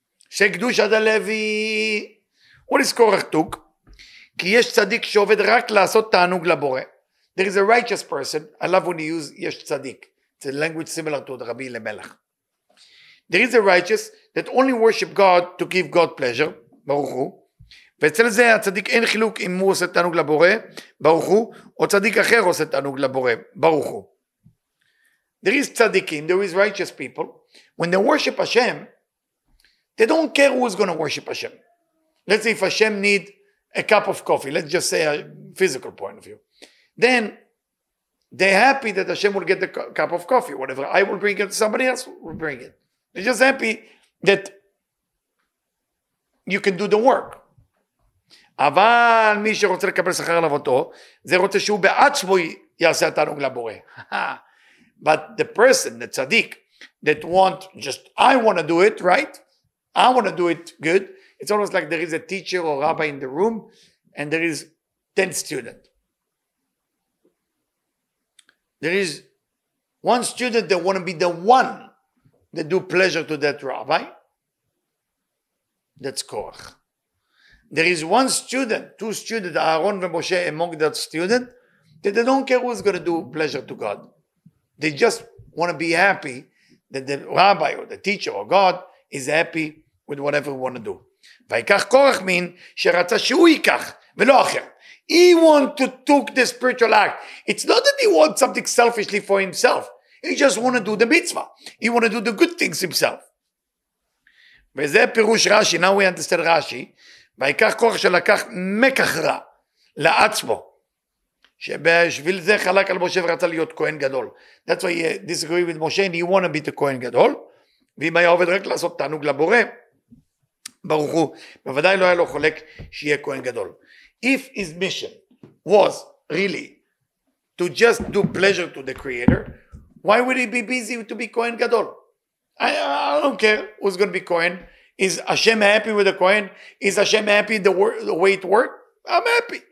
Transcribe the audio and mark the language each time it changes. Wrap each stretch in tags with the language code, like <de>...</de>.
<he>Shekdush ad Levi.</he> <en>What is Korach took?</en> <he>Ki yesh tzadik shoved rak lasot ta'anug labore.</he> <en>There is a righteous person. I love when you use yesh tzadik. It's a language similar to Rabbi Lemelech. There is a righteous that only worship God to give God pleasure. Baruch Hu.</en> <he>ואצל זה הצדיק אין חילוק אם הוא עושה תענוג לבורא, ברוך הוא, או צדיק אחר עושה תענוג לבורא, ברוך הוא.</he> <en>There is tzaddikim, there is righteous people. When they worship Hashem, they don't care who is going to worship Hashem. Let's say if Hashem need a cup of coffee, let's just say a physical point of view. Then they're happy that Hashem will get the cup of coffee, whatever I will bring it, somebody else will bring it. They're just happy that you can do the work.</en> <he>אבל מי שרוצה לקבל שכר על עבודתו, זה רוצה שהוא בעצמו יעשה תענוג לבורא.</he> <en>But the person, the tzaddik, that want, just, I want to do it, right? I want to do it good. It's almost like there is a teacher or rabbi in the room, and there is 10 students. There is one student that want to be the one that do pleasure to that rabbi. That's Korach. There is one student, two students, Aaron and Moshe among that student, that they don't care who's going to do pleasure to God. They just want to be happy that the rabbi or the teacher or God is happy with whatever we want to do.</en> <he>Vayikach Korach mean, sherata shehu yikach, velo acher.</he> <en>He want to took the spiritual act. It's not that he wants something selfishly for himself. He just want to do the mitzvah. He want to do the good things himself.</en> <he>וזה פירוש רשי,</he> <en>now we understand</en> <he>רשי, ויקח כוח שלקח מקח רע לעצמו, שבשביל זה חלק על משה ורצה להיות כהן גדול.</he> <en>That's why he disagreed with משה, and he want to be the כהן גדול,</en> <he>ואם היה עובד רק לעשות תענוג לבורא, ברוך הוא, בוודאי לא היה לו חולק שיהיה כהן גדול.</he> <en>If his mission was really to just do pleasure to the Creator, why would he be busy to be כהן גדול? I don't care who's going to be Kohen. Is Hashem happy with the Kohen? Is Hashem happy the way it worked? I'm happy.</en>